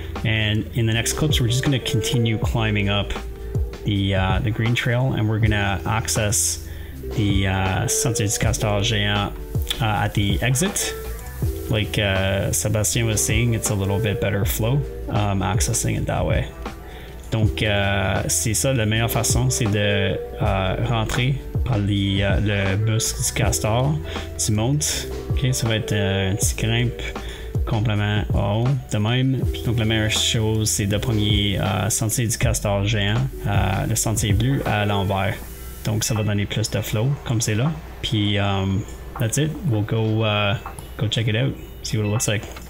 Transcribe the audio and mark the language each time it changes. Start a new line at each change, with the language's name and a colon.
English: And in the next clips, we're just gonna continue climbing up the green trail, and we're gonna access the Sensei's Castel Géant at the exit. Like Sebastian was saying, it's a little bit better flow accessing it that way.
French: Donc c'est ça, la meilleure façon, c'est de rentrer par le bus du Castor. Tu montes, ok, ça va être un petit grimpe complètement en haut de même. Puis donc la meilleure chose, c'est de prendre le sentier du Castor géant, le sentier bleu à l'envers. Donc ça va donner plus de flow comme c'est là.
English: Puis that's it, we'll go check it out, see what it looks like.